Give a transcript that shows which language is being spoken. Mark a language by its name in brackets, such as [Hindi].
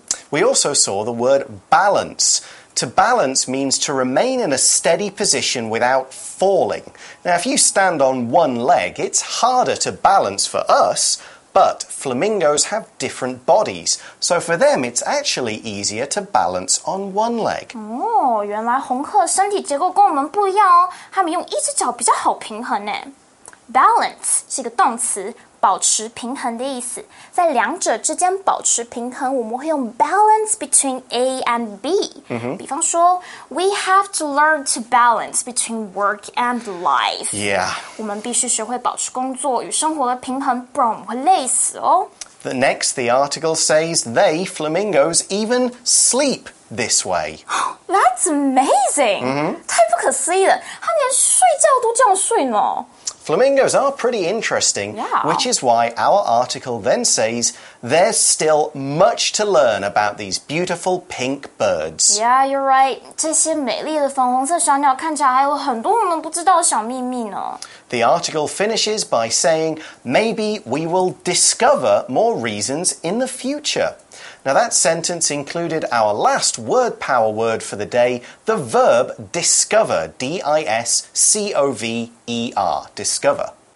[English] We also saw the word balance. To balance means to remain in a steady position without falling. Now, if you stand on one leg, it's harder to balance for us,But flamingos have different bodies, so for them, it's actually easier to balance on one leg. [Chinese] 哦，原来红鹤身体结构跟我们不一样哦，他们用一只脚比较好平衡呢。 Balance 是个动词，保持平衡的意思。在两者之间保持平衡，我们会用 [English] balance between A and B.、 [Chinese] 比方说 [English] ，We have to learn to balance between work and life. Yeah. [Chinese] 我们必须学会保持工作与生活的平衡，不然我们会累死哦。 [English] The next, the article says they flamingos even sleep this way. That's amazing.、 [Chinese] 太不可思议了，他们连睡觉都这样睡呢。 [English] Flamingos are pretty interesting,、which is why our article then says there's still much to learn about these beautiful pink birds. Yeah, you're right. [Chinese] 这些美丽的粉红色小鸟看起来还有很多我们不知道的小秘密呢。 [English] The article finishes by saying, maybe we will discover more reasons in the future. Now that sentence included our last word power word for the day, the verb discover, D-I-S-C-O-V-E-R, discover.